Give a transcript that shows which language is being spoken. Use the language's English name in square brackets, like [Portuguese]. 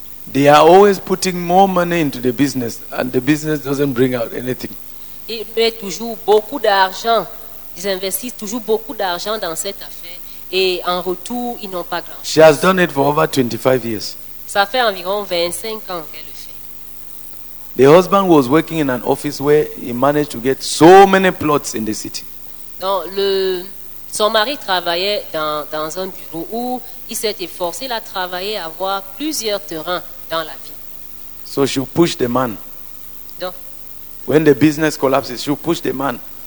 [English] They are always putting more money into the business and the business doesn't bring out anything. [French] Ils mettent toujours beaucoup d'argent. Ils investissent toujours beaucoup d'argent dans cette affaire. Et en retour, ils n'ont pas grand-chose. [English] She has done it for over 25 years. [French] Ça fait environ 25 ans qu'elle le fait. [English] The husband was working in an office where he managed to get so many plots in the city. [French] Donc, son mari travaillait dans un bureau où il s'est efforcé, il a travaillé à avoir plusieurs terrains dans la ville. [English] So she pushed the man. When the business collapses, she'll push the man.